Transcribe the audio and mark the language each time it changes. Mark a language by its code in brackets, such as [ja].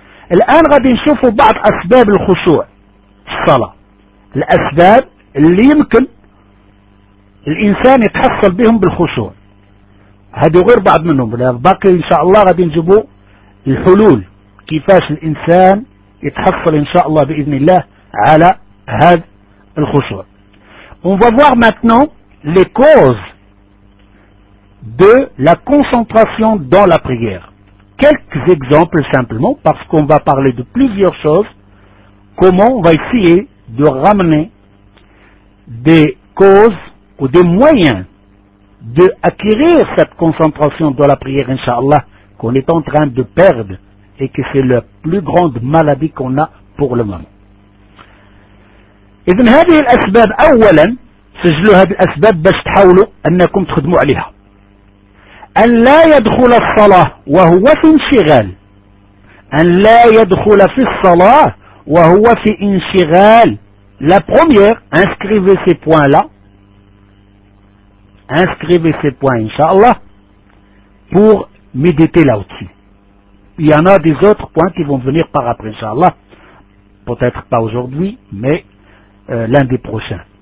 [fr] Maintenant, nous allons voir certaines asbab du khushu'. Salah. Les asbab, qui peuvent, l'insan, se passer avec eux, le khushu'. [ar] هذه غير بعض منهم باقي ان شاء الله غادي نجيبوا الحلول كيفاش الانسان يتحصل ان شاء الله باذن الله على هذا الخشوع. [fr] On va voir maintenant les causes de la concentration dans la prière. Quelques exemples simplement parce qu'on va parler de plusieurs choses, comment on va essayer de ramener des causes ou des moyens de acquérir cette concentration dans la prière, inshallah, qu'on est en train de perdre et que c'est la plus grande maladie qu'on a pour le moment. [ar] إذن هذه الأسباب أولا سجلوا هذه الأسباب باش تحاولوا أنكم تخدموا عليها. أن لا يدخل الصلاة وهو في انشغال. أن لا يدخل في الصلاة وهو في انشغال. [fr] La première, inscrivez ces points-là. Inscrivez ces points, Inch'Allah, pour méditer là-dessus. Il y en a des autres points qui vont venir par après, Inch'Allah. Peut-être pas aujourd'hui, mais lundi prochain.